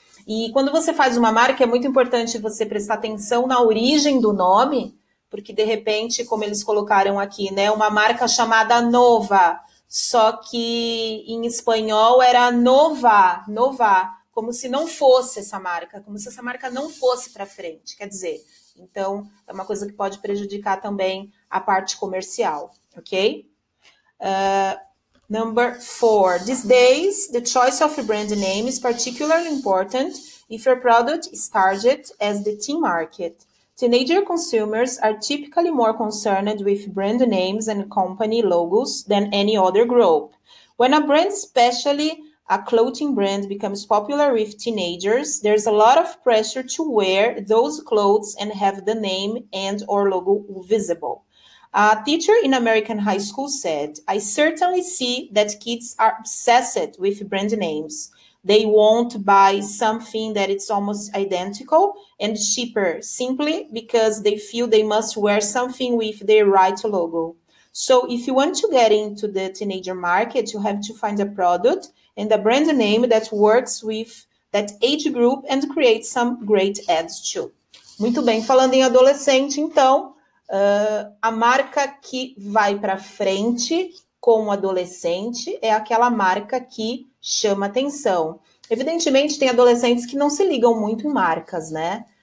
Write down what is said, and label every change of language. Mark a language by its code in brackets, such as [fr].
[pt] E quando você faz uma marca, é muito importante você prestar atenção na origem do nome, porque de repente, como eles colocaram aqui, né, uma marca chamada Nova, só que em espanhol era Nova, Nova, como se não fosse essa marca, como se essa marca não fosse para frente, quer dizer... Então, é uma coisa que pode prejudicar também a parte comercial, ok? [en] Number four. These days, the choice of a brand name is particularly important if your product is targeted as the teen market. Teenager consumers are typically more concerned with brand names and company logos than any other group. When a brand, especially a clothing brand, becomes popular with teenagers, there's a lot of pressure to wear those clothes and have the name and or logo visible. A teacher in American high school said, I certainly see that kids are obsessed with brand names. They won't buy something that is almost identical and cheaper simply because they feel they must wear something with their right logo. So if you want to get into the teenager market, you have to find a product and a brand name that works with that age group and create some great ads too. [pt] Muito bem, falando em adolescente, então, a marca que vai para frente com o adolescente é aquela marca que chama atenção. Evidentemente, tem adolescentes que não se ligam muito em marcas, né?